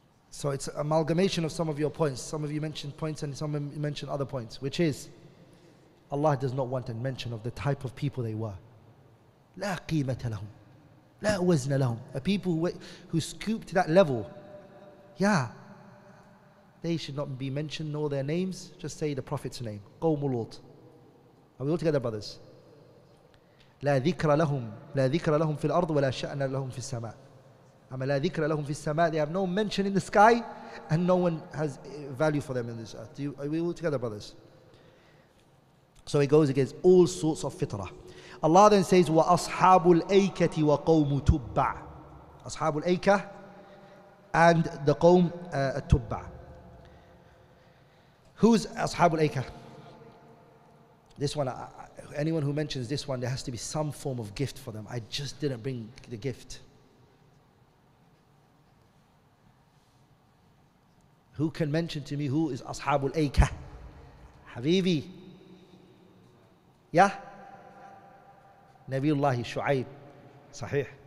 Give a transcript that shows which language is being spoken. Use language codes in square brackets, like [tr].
[en] So it's an amalgamation of some of your points. Some of you mentioned points and some of you mentioned other points, which is Allah does not want a mention of the type of people they were. [ar] لا قيمة لهم لا وزن لهم. [en] A people who scooped to that level. Yeah. They should not be mentioned nor their names. Just say the Prophet's name. [ar] قوم لوط. [en] Are we all together, brothers? [ar] لا ذكر لهم لا ذكر لهم في الأرض ولا شأن لهم في السماء. أما لا ذكر لهم في السماء. [en] They have no mention in the sky and no one has value for them in this earth. Are we all together, brothers? So it goes against all sorts of fitrah. [ar] Allah then says, وَأَصْحَابُ الْأَيْكَةِ وَقَوْمُ تُبَّعُ. أَصْحَابُ الْأَيْكَةِ and the قَوْمُ التُبَّعُ. Who's أَصْحَابُ الْأَيْكَةِ? [en] This one, anyone who mentions this one, there has to be some form of gift for them. I just didn't bring the gift. Who can mention to me who is أَصْحَابُ الْأَيْكَةِ? Habibi. Yeah? Nabiullahi Shu'aib. Sahih.